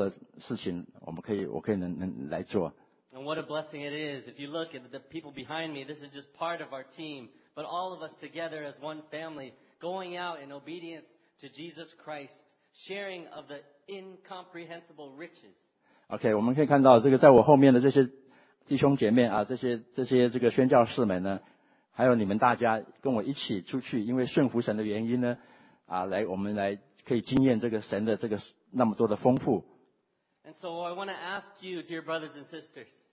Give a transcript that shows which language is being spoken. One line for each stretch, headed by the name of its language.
Chinese: 神真的是把他的恩典完全浇灌在我身上，让我有能力来他呼召我做的事情，我可以来做。
English: And what a blessing it is! If you look at the people behind me, this is just part of our team, but all of us together as one family, going out in obedience to Jesus Christ, sharing of the incomprehensible riches.
Chinese: Okay, 我们可以看到这个在我后面的这些。弟兄姐妹，这些宣教士们呢，还有你们大家跟我一起出去，因为顺服神的原因呢，我们来可以经验这个神的这个那么多的丰富。
English: And so I want to ask you, dear brothers and sisters.